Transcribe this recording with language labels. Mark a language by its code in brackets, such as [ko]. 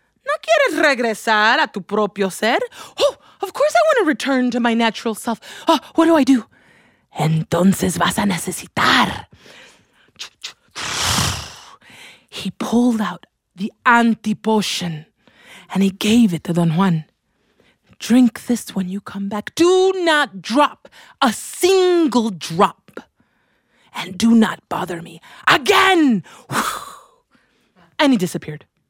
[es] ¿No quieres regresar a tu propio ser? [en] Oh, of course I want to return to my natural self. Oh, what do I do? [es] Entonces vas a necesitar. [en] He pulled out the anti-potion, and he gave it to Don Juan. Drink this when you come back. Do not drop a single drop. And do not bother me again. And he disappeared.